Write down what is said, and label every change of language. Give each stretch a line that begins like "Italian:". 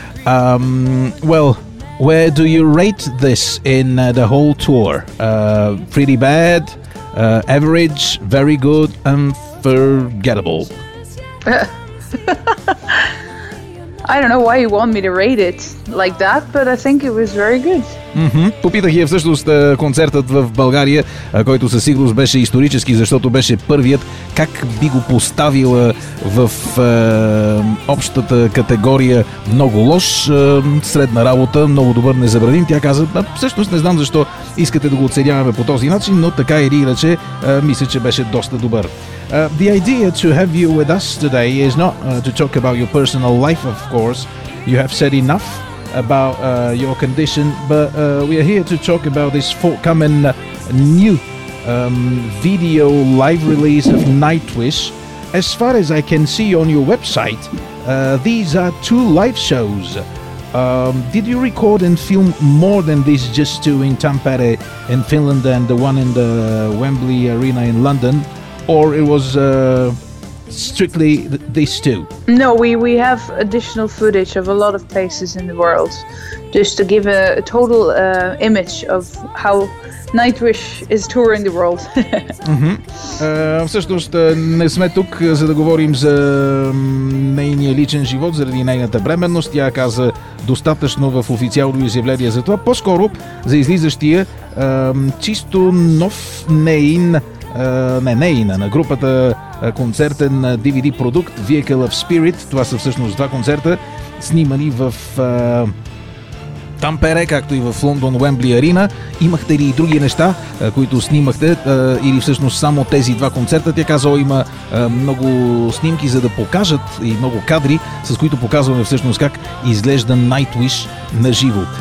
English: Well, where do you rate this in the whole tour? Pretty bad, average, very good, unforgettable. I don't know why you want me to rate it like that, but I think it was very good. Mm-hmm.
Bulgarian: Попитах я всъщност концертът в България, който със сигурност беше исторически, защото беше първият. Как би го поставила в общата категория много лош, средна работа, много добър, незабравим? Тя каза, всъщност не знам защо искате да го оценяваме по този начин, но така или иначе мисля, че беше доста добър.
English: The idea to have you with us today is not to talk about your personal life, of course. You have said enough about your condition, but we are here to talk about this forthcoming new video live release of Nightwish. As far as I can see on your website, these are two live shows. Did you record and film more than these just two in Tampere in Finland and the one in the Wembley Arena in London? Or it was strictly these two? No, we have additional footage of a lot of places in the world, just to give a total image of how Nightwish is touring the world. Mm-hmm.
Bulgarian: Всъщност не сме тук, за да говорим за нейния личен живот, заради нейната бременност. Тя каза достатъчно в официално изявление за това. По-скоро за излизащия чисто нов нейн... на групата концертен DVD продукт Vehicle of Spirit. Това са всъщност два концерта, снимани в Тампере, както и в Лондон Уембли Арина. Имахте ли и други неща, които снимахте, или всъщност само тези два концерта? Тя каза, има много снимки, за да покажат, и много кадри, с които показваме всъщност как изглежда Nightwish на живо.